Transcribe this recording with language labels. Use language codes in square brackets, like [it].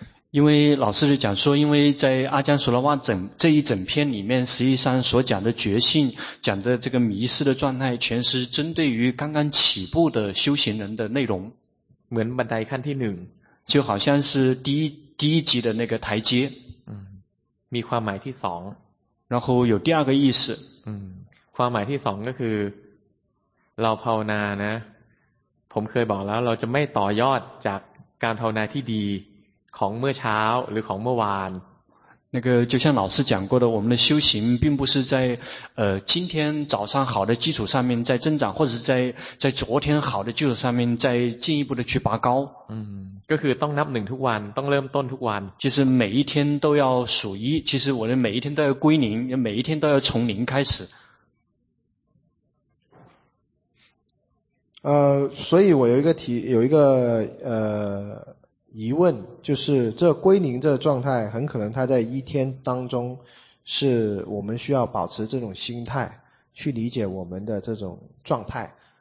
[zh] 因为老师就讲说，因为在阿姜索拉旺这一整篇里面，实际上所讲的觉性，讲的这个迷失的状态，全是针对于刚刚起步的修行人的内容。 [th] เหมือนบันไดขั้นที่หนึ่ง [zh] 就好像是第一级的那个台阶。 [th] มีความหมายที่สอง [zh] 然后有第二个意思。 [th] ความหมายที่สองก็คือเราภาวนานะผมเคยบอกแล้วเราจะไม่ต่อยอดจากการภาวนาที่ดีของเมื่อเช้าหรือของเมื่อวาน [zh] 那个就像老师讲过的，我们的修行并不是在今天早上好的基础上面在增长，或者是在昨天好的基础上面再进一步的去拔高。 [th] ก็คือต้องนับหนึ่งทุกวันต้องเริ่มต้นทุกวัน [zh] 其实每一天都要数一，其实我的每一天都要归零，每一天都要从零开始。所以我有一个疑问，就是这归零这状态，很可能它在一天当中，是我们需要保持这种心态去理解我们的这种状态。